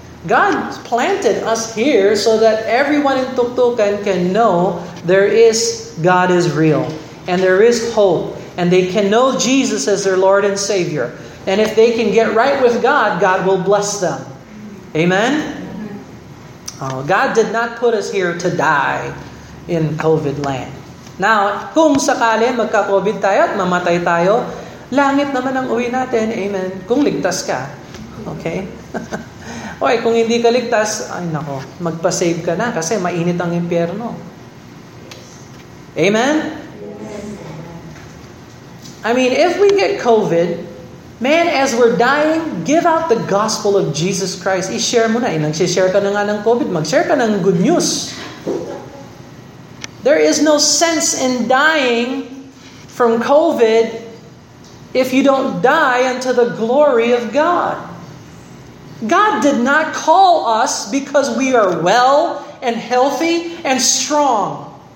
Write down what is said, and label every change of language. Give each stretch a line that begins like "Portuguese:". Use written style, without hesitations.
English: God planted us here so that everyone in Tuktukan can know there is, God is real. And there is hope. And they can know Jesus as their Lord and Savior. And if they can get right with God, God will bless them. Amen? Oh, God did not put us here to die in COVID land.
Filipino: Now, kung sakali magka-COVID tayo at mamatay tayo, langit naman ang uwi natin. Amen? Kung ligtas ka. Okay? Okay, kung hindi ka ligtas, ay nako, magpa-save ka na kasi mainit ang impyerno.
English: Amen? I mean, if we get COVID, man, as we're dying, give out the gospel of Jesus Christ.
Filipino: I-share mo na. Nagsishare ka na nga ng COVID, mag-share ka ng
English: good news. There is no sense in dying from COVID if you don't die unto the glory of God. God did not call us because we are well and healthy and strong.